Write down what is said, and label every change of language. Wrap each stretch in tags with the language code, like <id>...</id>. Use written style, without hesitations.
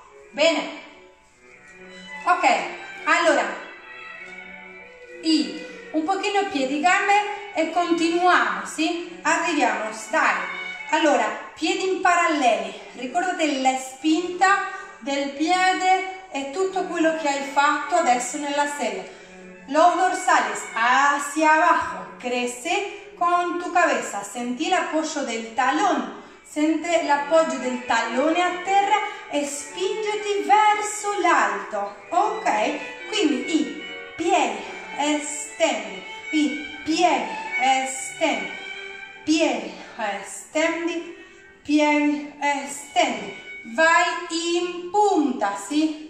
<it>Bene. Ok, allora, I, un pochino piedi, gambe. E continuiamo, sì? Arriviamo, dai. Allora, piedi in paralleli. Ricordate la spinta del piede e tutto quello che hai fatto adesso nella sedia.</it> <es>Los dorsales, hacia abajo. Cresce con tu cabeza.</es> <it>Senti l'appoggio del talone. Senti l'appoggio del tallone a terra e spingiti verso l'alto. Ok? Quindi, i piedi, estendi. I piedi. Estendi, piedi, estendi, piedi, estendi, vai in punta, sì?</it>